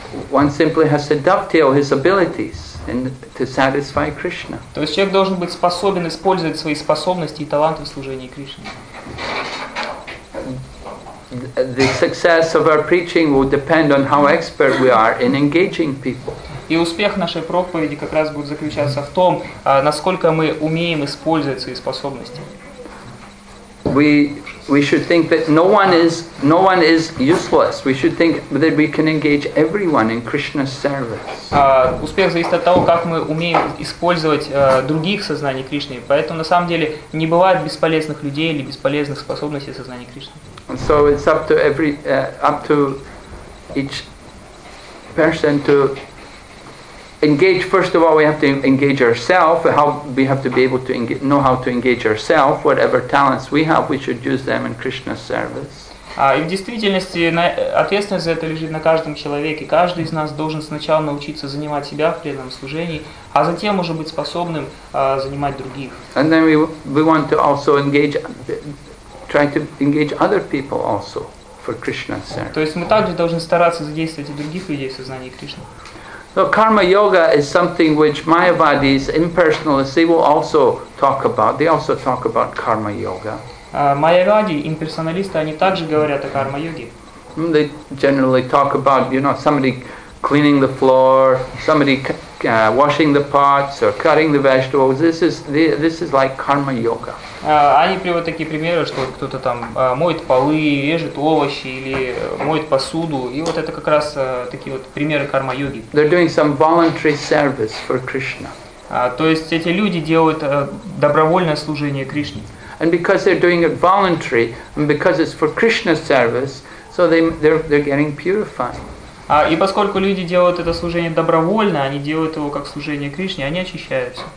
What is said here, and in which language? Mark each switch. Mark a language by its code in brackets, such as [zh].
[en] One simply has to dovetail his abilities and to satisfy Krishna. [ru] То есть человек должен быть способен использовать свои способности и таланты в служении Кришне. [en] The success of our preaching will depend on how expert we are in engaging people. [ru] И успех нашей проповеди как раз будет заключаться в том, насколько мы умеем использовать свои способности. [en] We should think that no one is useless. We should think that we can engage everyone in Krishna's service. [ru] Успех зависит от того, как мы умеем использовать других сознаний Кришны. Поэтому на самом деле не бывает бесполезных людей или бесполезных способностей сознания Кришны. [en] So it's up to every up to each person to engage. First of all, we have to engage ourselves. Know how to engage ourselves. Whatever talents we have, we should use them in Krishna's service. [ru] И в действительности ответственность за это лежит на каждом человеке. Каждый из нас должен сначала научиться занимать себя в преданном служении, а затем уже быть способным занимать других. [en] And then we want to also try to engage other people also for Krishna's service. [ru] То есть мы также должны стараться задействовать и других людей в сознании Кришны. [en] So karma yoga is something which Mayavadis, impersonalists, they will also talk about. They also talk about karma yoga. [ru] Mayavadi, impersonalists, они также говорят о karma yoga. [en] They generally talk about, you know, somebody cleaning the floor, somebody washing the pots or cutting the vegetables. This is like karma yoga. [ru] Они приводят такие примеры, что кто-то там моет полы, режет овощи или моет посуду. И вот это как раз такие вот примеры карма-йоги. [en] They're doing some voluntary service for Krishna. [ru] То есть эти люди делают добровольное служение Кришне. [en] And because they're doing it voluntary, and because it's for Krishna's service, so they're getting purified. [ru] И поскольку люди делают это служение добровольно, они делают его как служение Кришне, они очищаются.